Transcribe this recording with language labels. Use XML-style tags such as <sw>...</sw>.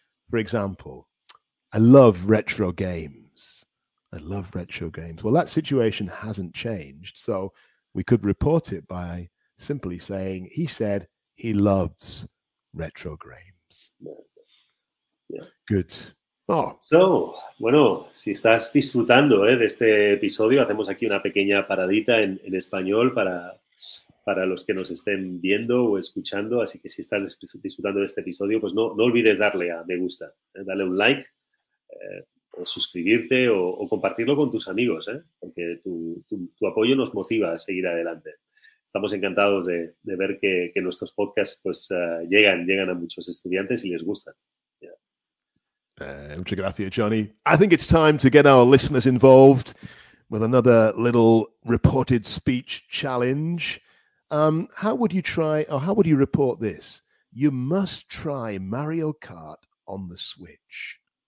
<en>For example, I love retro games. I love retro games. Well, that situation hasn't changed, so we could report it by simply saying, he said he loves retro games. Yeah. Good. Oh.</en> <es>So, bueno, si estás disfrutando de este episodio, hacemos aquí una pequeña paradita en español para los que nos estén viendo o escuchando. Así que si estás disfrutando de este episodio, pues no olvides darle a me gusta, darle un like, o suscribirte o compartirlo con tus amigos, porque tu apoyo nos motiva a seguir adelante. Estamos encantados de ver que nuestros podcasts pues llegan a muchos estudiantes y les gustan. Muchas gracias, Johnny.</es> <en>I think it's time to get our listeners involved with another little reported speech challenge. How would you report this? You must try Mario Kart on the Switch.</en>